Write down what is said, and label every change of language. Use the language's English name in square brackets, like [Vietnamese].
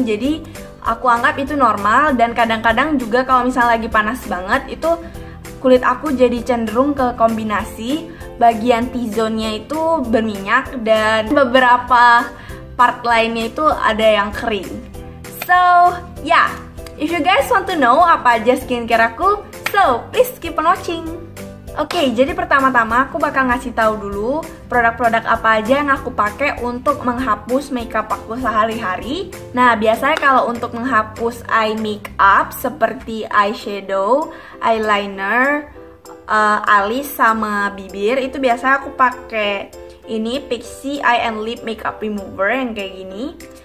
[Indonesian] Jadi aku anggap itu normal. Dan kadang-kadang juga kalau misalnya lagi panas banget, itu kulit aku jadi cenderung ke kombinasi. Bagian T-zone-nya itu berminyak dan beberapa part lainnya itu ada yang kering. [English] So, yeah. If you guys want to know [Indonesian] apa aja skincare aku, [English] so please keep on watching. [Indonesian] Okay, jadi pertama-tama aku bakal ngasih tahu dulu produk-produk apa aja yang aku pakai untuk menghapus makeup aku sehari-hari. Nah, biasanya kalau untuk menghapus eye makeup seperti eyeshadow, eyeliner, alis sama bibir, itu biasanya aku pakai ini Pixi Eye and Lip Makeup Remover yang kayak gini.